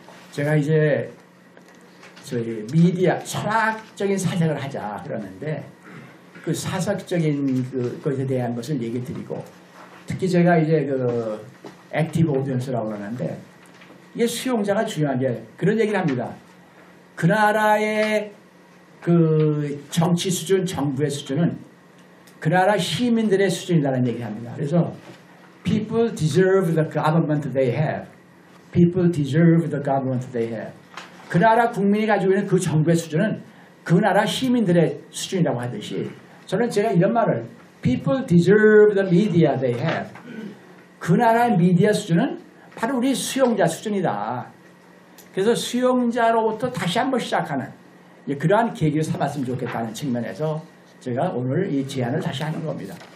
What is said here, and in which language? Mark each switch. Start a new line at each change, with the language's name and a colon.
Korean: 제가 이제 저희 미디어 철학적인 사색을 하자 그러는데 그 사색적인 것에 대한 것을 얘기 드리고 특히 제가 이제 그 액티브 오디언스라고 그러는데 이게 수용자가 중요한 게 그런 얘기를 합니다. 그 나라의 그 정치 수준, 정부의 수준은 그 나라 시민들의 수준이라는 얘기를 합니다. 그래서
English: people deserve the government they have. People deserve the government they have.
Korean: 그 나라 국민이 가지고 있는 그 정부의 수준은 그 나라 시민들의 수준이라고 하듯이 저는 제가 이런 말을
English: People deserve the media they have.
Korean: 그 나라의 미디어 수준은 바로 우리 수용자 수준이다. 그래서 수용자로부터 다시 한번 시작하는 그러한 계기를 삼았으면 좋겠다는 측면에서 제가 오늘 이 제안을 다시 하는 겁니다.